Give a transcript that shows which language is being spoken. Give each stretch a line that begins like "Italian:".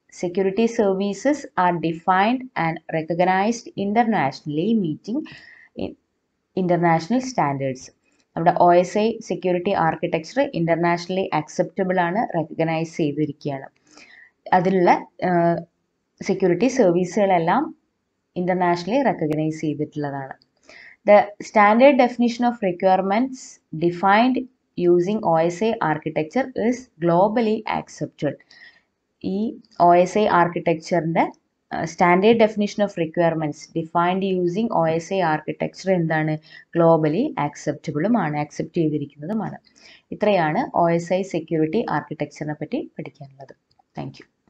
English: Security services are defined and recognised internationally meeting international standards.
Malayalam: നമ്മുടെ OSI security architecture internationally acceptable ആണ്, recognise ചെയ്തിരിക്കുകയാണ്. അതിലുള്ള security സർവീസുകളെല്ലാം internationally recognise ചെയ്തിട്ടുള്ളതാണ്.
English: The standard definition of requirements defined using OSI architecture is globally accepted. ഈ OSI ആർക്കിടെക്ചറിൻ്റെ standard definition of requirements defined using OSI architecture എന്താണ്?
Malayalam: Globally ആക്സെപ്റ്റബിളുമാണ്, accept ചെയ്തിരിക്കുന്നതുമാണ്. ഇത്രയാണ് OSI security ആർക്കിടെക്ചറിനെ പറ്റി പഠിക്കാനുള്ളത്. Thank you.